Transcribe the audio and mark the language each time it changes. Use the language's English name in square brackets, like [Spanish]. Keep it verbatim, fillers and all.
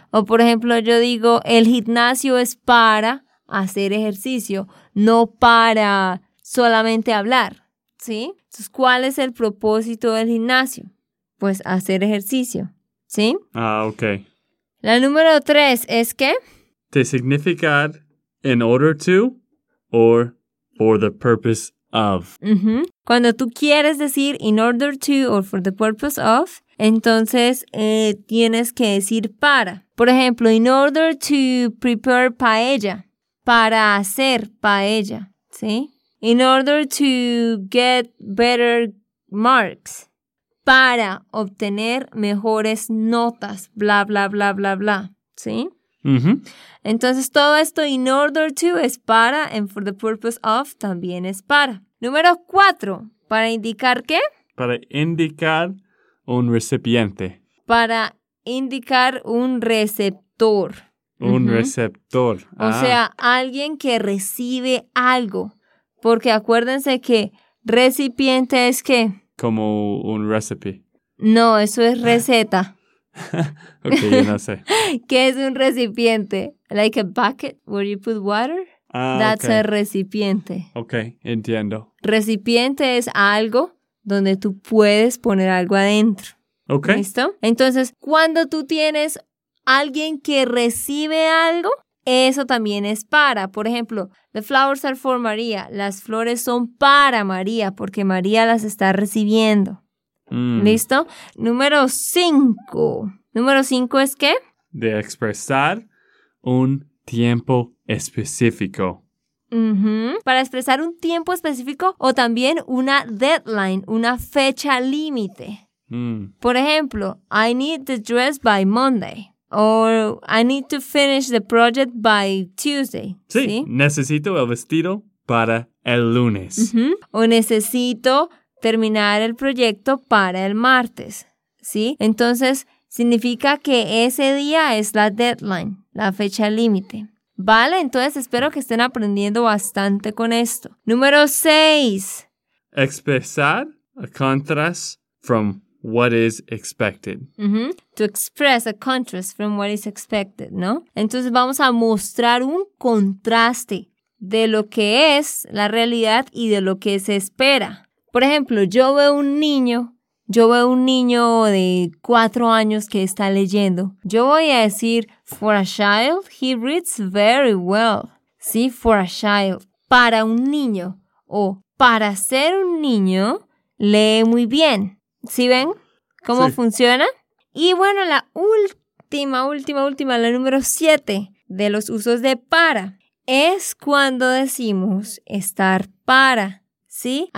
[Spanish] O por ejemplo yo digo, el gimnasio es para hacer ejercicio, no para solamente hablar, ¿sí? Entonces, ¿cuál es el propósito del gimnasio? pues hacer ejercicio, ¿sí? Ah, ok. La número tres es que [English] To significar in order to or for the purpose of. [Spanish] ujú, cuando tú quieres decir [English] in order to or for the purpose of, [Spanish] entonces eh, tienes que decir para. Por ejemplo, [English] in order to prepare paella, [Spanish] para hacer paella, ¿sí? [English] In order to get better marks, [Spanish] para obtener mejores notas, bla, bla, bla, bla, bla, ¿sí? Mm-hmm. Entonces, todo esto [English] in order to [Spanish] es para, [English] and for the purpose of [Spanish] también es para. Número cuatro, para indicar qué, Para indicar un recipiente. para indicar un receptor. Un Ujú. receptor. O Ah, sea, alguien que recibe algo. Porque acuérdense que recipiente es que, como un recipe. no, eso es receta. Ok, yo no sé. ¿Qué es un recipiente? [English] Like a bucket where you put water. Ah, That's a ok. [Spanish] recipiente. Ok, entiendo. Recipiente es algo donde tú puedes poner algo adentro. Ok. ¿Listo? Entonces, cuando tú tienes alguien que recibe algo, eso también es para. Por ejemplo, [English] the flowers are for María. [Spanish] Las flores son para María porque María las está recibiendo. Mm. ¿Listo? Número cinco. Número cinco es que De expresar un tiempo específico. ujú, para expresar un tiempo específico o también una deadline, una fecha límite. Mm. [English] Por ejemplo, I need the dress by Monday. Or I need to finish the project by Tuesday. [Spanish] Sí, ¿Sí? necesito el vestido para el lunes. Ujú. O necesito terminar el proyecto para el martes, ¿sí? Entonces, significa que ese día es la deadline, la fecha límite. ¿Vale? Entonces, espero que estén aprendiendo bastante con esto. Número seis. [English] Expresar a contrast from what is expected. Ujú. To express a contrast from what is expected, ¿no? [Spanish] Entonces, vamos a mostrar un contraste de lo que es la realidad y de lo que se espera. Por ejemplo, yo veo un niño, yo veo un niño de cuatro años que está leyendo. Yo voy a decir, [English] for a child, he reads very well. [Spanish] Sí, [English] for a child, [Spanish] para un niño o para ser un niño, lee muy bien. ¿Sí ven cómo Sí. funciona? Y bueno, la última, última, última, la número siete de los usos de para es cuando decimos estar para, ¿sí?